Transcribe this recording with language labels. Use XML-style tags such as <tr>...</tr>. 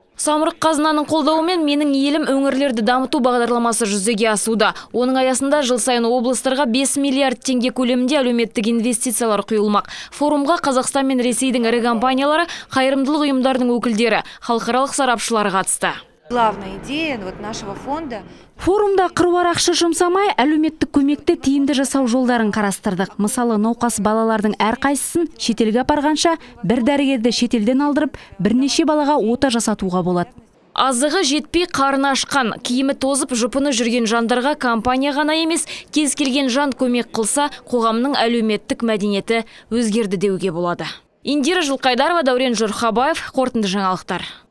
<kk>Самұрық қазынаның қолдауымен менің елім өңірлерді дамыту бағдарламасы жүзеге асуда. Оның аясында жыл сайын облыстарға 5 миллиард теңге көлемінде әлеуметтік инвестициялар құйылмақ. Форумға Қазақстан мен Ресейдің ірі компаниялары, қайырымдылық ұйымдарының өкілдері, халықаралық сарапшылар қатысты.</kk> <ru>Главная идея вот нашего фонда.</ru> <kk>Форумда қыруар ақша жұмсамай, әлеуметтік көмекті тиімді жасау жолдарын қарастырдық. Мысалы, науқас балалардың әрқайсысын шетелге апарғанша, бір дәрігерді шетелден алдырып, бірнеше балаға ота жасатуға болады. Азығы жетпей қарын ашқан, киімі тозып жұпыны жүрген жандарға компания ғана емес, кез келген жан көмек қылса, қоғамның әлеуметтік мәдениеті өзгерді деуге болады. Индира Жылқайдарова, Дәурен Жұрхабаев, қорытынды жаңалықтар.</kk>